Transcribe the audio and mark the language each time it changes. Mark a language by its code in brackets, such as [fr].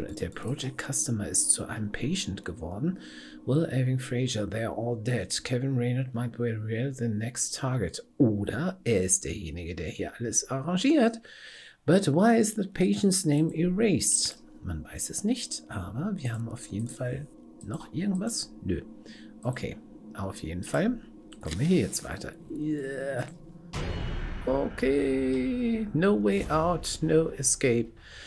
[de] Der Project Customer ist zu einem Patient geworden. [en] Will Irving Fraser, they're all dead. Kevin Reynolds might be well the next target. [de] Oder er ist derjenige, der hier alles arrangiert. [en] But why is the patient's name erased? [de] Man weiß es nicht, aber wir haben auf jeden Fall noch irgendwas. Nö. Okay, auf jeden Fall kommen wir hier jetzt weiter. [en] Yeah. Okay, no way out, no escape.